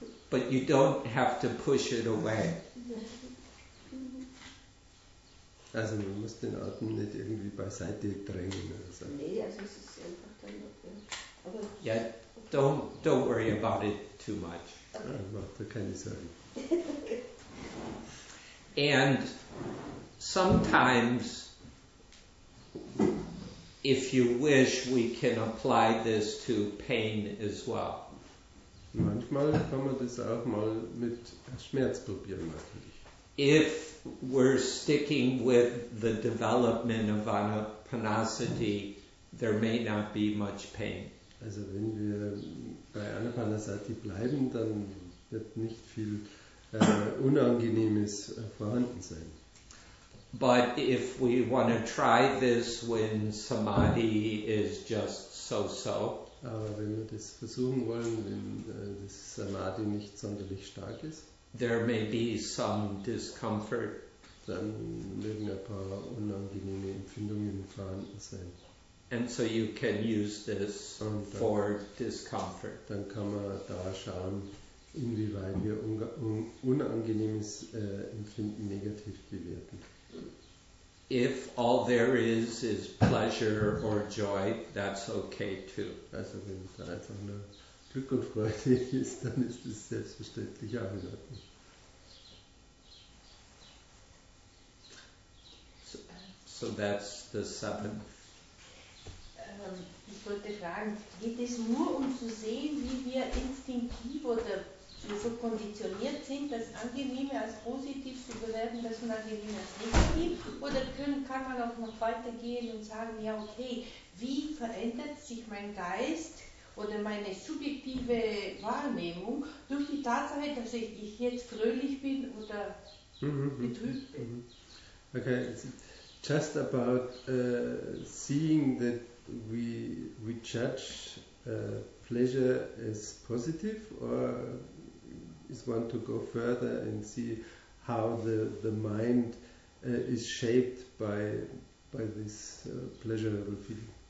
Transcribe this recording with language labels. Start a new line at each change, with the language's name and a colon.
English: But you don't have to push it away.
German: Also man muss den Atem nicht irgendwie beiseite drängen oder so. Nee, also es ist einfach dann noch,
English: ja. Don't worry about it too much.
German: Okay. Ja, mach dir keine Sorgen.
English: And sometimes, if you wish, we can apply this to pain as well.
German: Manchmal kann man das auch mal mit Schmerz probieren, natürlich.
English: If we're sticking with the development of anapanasati, there may not be much pain.
German: Also wenn wir bei Anapanasati bleiben, dann wird nicht viel Unangenehmes vorhanden sein.
English: But if we want to try this when Samadhi is just so-so,
German: aber wenn wir das versuchen wollen, wenn das Samadhi nicht sonderlich stark ist,
English: there may be some discomfort.
German: Dann mögen ein paar unangenehme Empfindungen vorhanden sein.
English: And so you can use this for discomfort.
German: Dann kann man da schauen, inwieweit wir unangenehmes Empfinden negativ bewerten.
English: If all there is pleasure or joy, that's okay too.
German: Also wenn da einfach nur Glück und Freude ist, dann ist es selbstverständlich auch in Ordnung.
English: So that's the seventh.
German: Ich wollte fragen, geht es nur um zu sehen, wie wir instinktiv oder so konditioniert sind, das Angenehme als positiv zu bewerten, das Unangenehme als negativ? Oder kann man auch noch weitergehen und sagen, ja okay, wie verändert sich mein Geist oder meine subjektive Wahrnehmung durch die Tatsache, dass ich jetzt fröhlich bin oder betrübt bin?
English: Okay, just about seeing that we judge pleasure as positive, or is one to go further and see how the mind is shaped by this pleasurable feeling?